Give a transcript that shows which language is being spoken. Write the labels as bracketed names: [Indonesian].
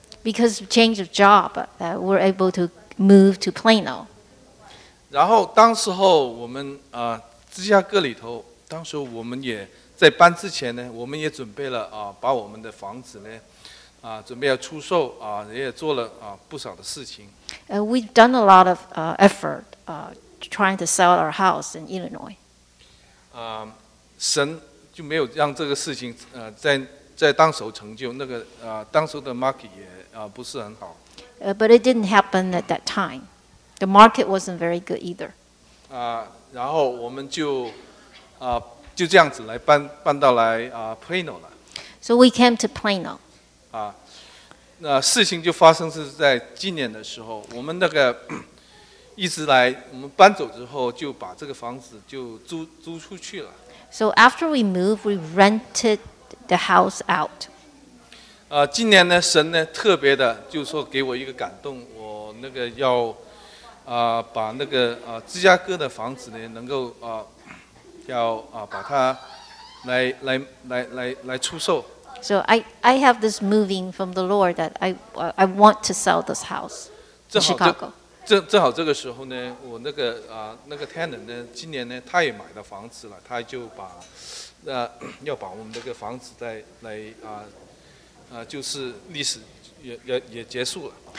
[English] Because of change of job, we're able to move to Plano. [Chinese] 然后当时候我们芝加哥里头。当时我们也在搬之前呢，我们也准备了把我们的房子呢，准备要出售也做了不少的事情。 [English] We've done a lot of effort trying to sell our house in Illinois. [Chinese] 神就没有让这个事情在当时成就，那个当时的 market 也不是很好。 [English] But it didn't happen at that time. The market wasn't very good either. [Chinese] 然后我们就。就这样子来搬到来Plano 了。 [English] So we came to Plano. [Chinese] 那事情就发生是在今年的时候，我们那个一直来，我们搬走之后就把这个房子就租出去了。 [English] So after we moved, we rented the house out. [Chinese] 今年呢，神呢特别的，就是说给我一个感动，我那个要把那个芝加哥的房子呢能够要把它来出售。 [English] So I have this moving from the Lord that I want to sell this house in Chicago. [Chinese] 正好这个时候呢，我那个tenant 呢，今年呢他也买了房子了，他就把要把我们这个房子来就是历史也结束了。